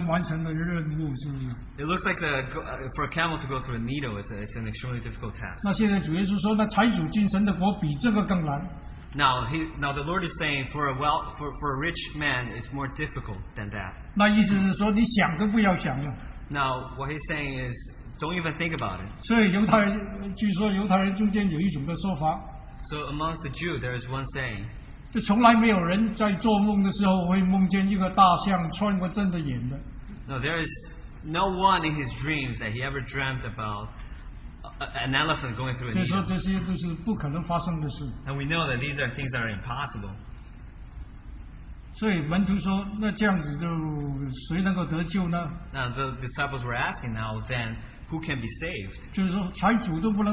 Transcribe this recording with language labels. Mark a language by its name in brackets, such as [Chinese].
[Chinese] 骆驼要穿过一个针的眼，已经好像是不能完成的任务，是不是？ [English] It looks like for a camel to go through a needle, it's an extremely difficult task. [Chinese] 那现在主耶稣说，那财主进神的国比这个更难。 [English] Now the Lord is saying for a rich man, it's more difficult than that. [Chinese] 那意思是说，你想都不要想了。 [English] Now what he's saying is, don't even think about it. [Chinese] 所以犹太人，据说犹太人中间有一种的说法。 [English] So amongst the Jew, there is one saying. [Chinese] 就从来没有人在做梦的时候会梦见一个大象穿过针的眼的。 [English] No, there is no one in his dreams that he ever dreamt about an elephant going through a needle. [Chinese] 所以说这些都是不可能发生的事。 [English] And we know that these are things that are impossible. [Chinese] 所以门徒说，那这样子就谁能够得救呢？ [English] Now the disciples were asking, now then, who can be saved?